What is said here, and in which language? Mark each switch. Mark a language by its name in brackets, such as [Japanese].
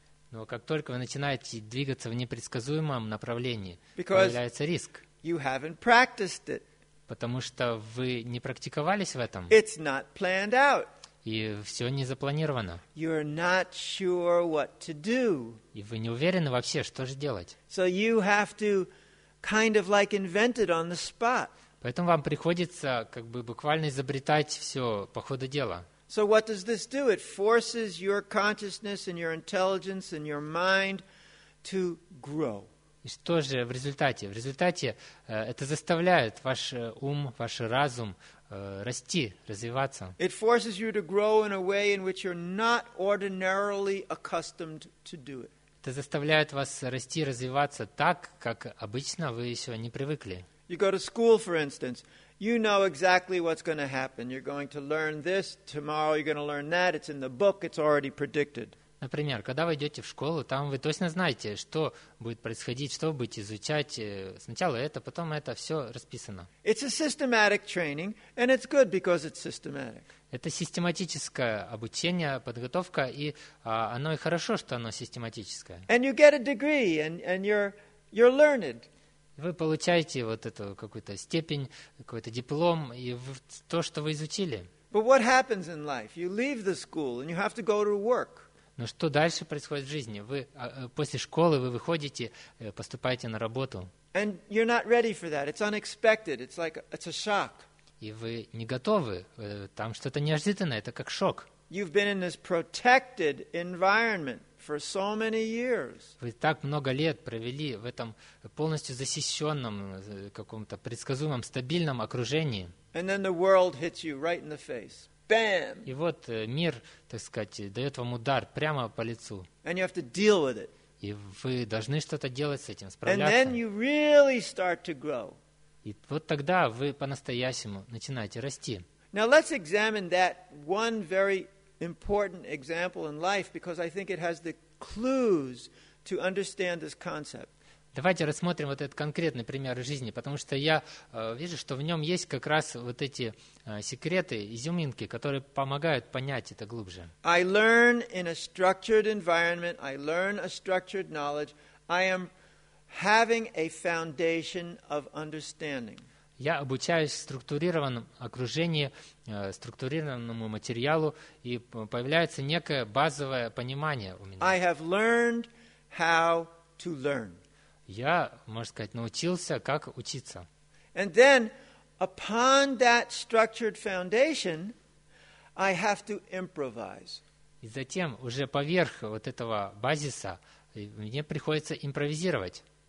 [Russian] Но как только вы начинаете двигаться в непредсказуемом направлении, появляется риск. [English] You haven't practiced it. [Russian] Потому что вы не практиковались в этом. [English] It's not planned out. [Russian] И все не запланировано. [English] You're not sure what to do. [Russian] И вы не уверены вообще, что же делать. [English] So you have to kind of like invent it on the spot. [Russian] Поэтому вам приходится как бы буквально изобретать все по ходу дела. [English] So what does this do? It forces your consciousness and your intelligence and your mind to grow. [Russian] И что же в результате? В результате это заставляет ваш ум, ваш разум расти, развиваться. [English] It forces you to grow in a way in which you're not ordinarily accustomed to do it. [Russian] Это заставляет вас расти, развиваться так, как обычно вы еще не привыкли. [English] You go to school, for instance. You know exactly what's going to happen. You're going to learn this tomorrow. You're going to learn that. It's in the book. It's already predicted. [Russian] Например, когда вы идете в школу, там вы точно знаете, что будет происходить, что вы будете изучать. Сначала это, потом это, все расписано. [English] It's a systematic training, and it's good because it's systematic. [Russian] Это систематическое обучение, подготовка, и оно и хорошо, что оно систематическое. [English] And you get a degree, and you're learned. [Russian] Вы получаете вот эту какую-то степень, какой-то диплом, и то, что вы изучили. [English] But what happens in life? You leave the school, and you have to go to work. [Russian] Но что дальше происходит в жизни? Вы после школы вы выходите, поступаете на работу. [English] And you're not ready for that. It's unexpected. It's like it's a shock. [Russian] И вы не готовы. Там что-то неожиданное. Это как шок. [English] You've been in this protected environment for so many years. [Russian] Вы так много лет провели в этом полностью защищенном, каком-то предсказуемом, стабильном окружении. [English] And then the world hits you right in the face. Bam. [Russian] И вот мир, так сказать, дает вам удар прямо по лицу. [English] And you have to deal with it. [Russian] И вы должны что-то делать с этим, справляться. [English] And then you really start to grow. [Russian] И вот тогда вы по-настоящему начинаете расти. [English] Now let's examine that one very important example in life, because I think it has the clues to understand this concept. [Russian] Давайте рассмотрим вот этот конкретный пример жизни, потому что я вижу, что в нем есть как раз вот эти секреты, изюминки, которые помогают понять это глубже. [English] I learn in a structured environment, I learn a structured knowledge, I am having a foundation of understanding. [Russian] Я обучаюсь структурированному окружению, структурированному материалу, и появляется некое базовое понимание у меня. [English] I have learned how to learn. [Russian] Я, можно сказать, научился, как учиться. [English] And then, upon that structured foundation, I have to improvise. [Russian] И затем, уже поверх вот этого базиса, мне приходится импровизировать.